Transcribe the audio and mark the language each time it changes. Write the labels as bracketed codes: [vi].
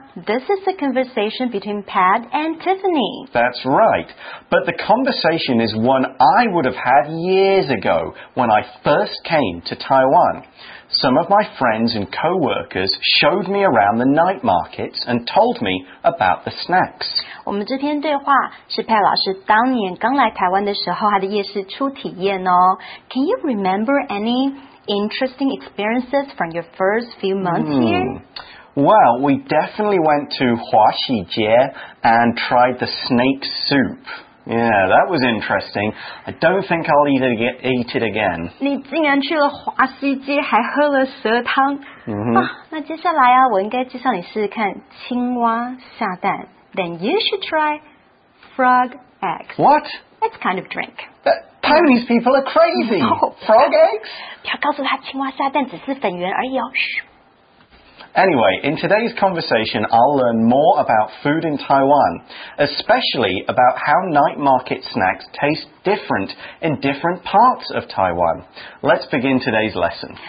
[en] This is a conversation between Pat and Tiffany. That's right. But the conversation is one I would have had years ago when I first came to Taiwan. Some of my friends and co-workers showed me around the night markets and told me about the snacks. [zh] 我们这篇对话是 Pat 老师当年刚来台湾的时候他的夜市初体验哦。 [en] Can you remember any interesting experiences from your first few months here? Well, we definitely went to Huaxijie and tried the snake soup. Yeah, that was interesting. I don't think I'll eat it again. [zh] 你竟然去了华西街还喝了蛇汤。那接下来啊，我应该介绍你试试看青蛙下蛋。 [en] Then you should try frog eggs. What? It's kind of drink. Taiwanese people are crazy. Frog eggs? [zh] 不要告诉他青蛙下蛋只是粉圆而已哦。 [en] Anyway, in today's conversation, I'll learn more about food in Taiwan, especially about how night market snacks taste different in different parts of Taiwan. Let's begin today's lesson.